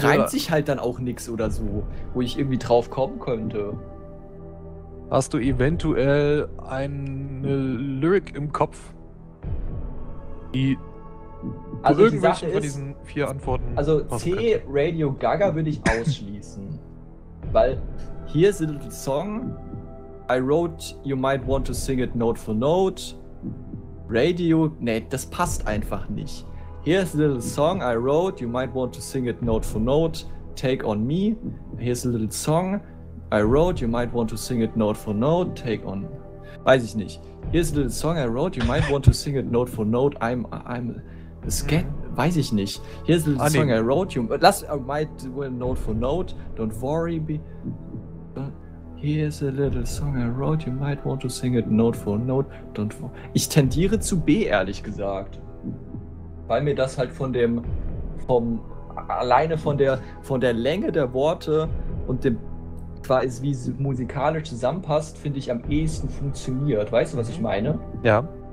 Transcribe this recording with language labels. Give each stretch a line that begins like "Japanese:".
German: Da reimt sich halt dann auch nichts oder so, wo ich irgendwie drauf kommen könnte. Hast du eventuell eine Lyric im Kopf, die also irgendwelche von diesen vier Antworten... Also C, könnte. Radio Gaga würde ich ausschließen.
English: Weil, here's a little song, I wrote, you might want to sing it note for note.
German: Radio, nee, das passt einfach nicht.
English: Here's a little song I wrote, you might want to sing it note for note, take on me. Here's a little song I wrote, you might want to sing it note for note, take on...
German: Weiß ich nicht.
English: Here's a little song I wrote, you might want to sing it note for note, I'm a scat...
German: Weiß ich nicht.
English: Here's a little song I wrote, you... Lass... might... note for note, don't worry, be... Here's a little song I wrote, you might want to sing it note for note, don't...
German: Ich tendiere zu B, ehrlich gesagt. Weil mir das halt von dem, vom, alleine von der Länge der Worte und dem, quasi wie es musikalisch zusammenpasst, finde ich am ehesten funktioniert. Weißt du, was ich meine? Ja.